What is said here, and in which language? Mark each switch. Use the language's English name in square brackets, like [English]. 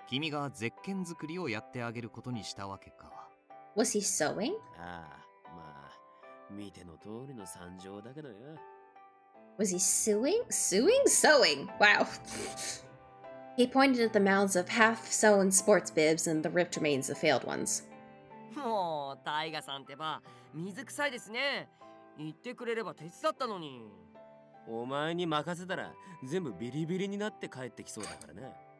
[Japanese] あるにはあるんだが、うちの施設にそこまでする余裕はねえからな。それで倒れたシスターに代わって君がゼッケン作りをやってあげることにしたわけか。 [English] Was he sewing? [Japanese] ああ、まあ。見ての通りの惨状だけどよ。 [English] Was he sewing? Sewing? Sewing! Wow. He pointed at the mounds of half-sewn sports bibs and the ripped remains of failed ones. [Japanese] もう、タイガさんてば、水臭いですね。言ってくれれば手伝ったのに。お前に任せたら、全部ビリビリになって帰ってきそうだからね。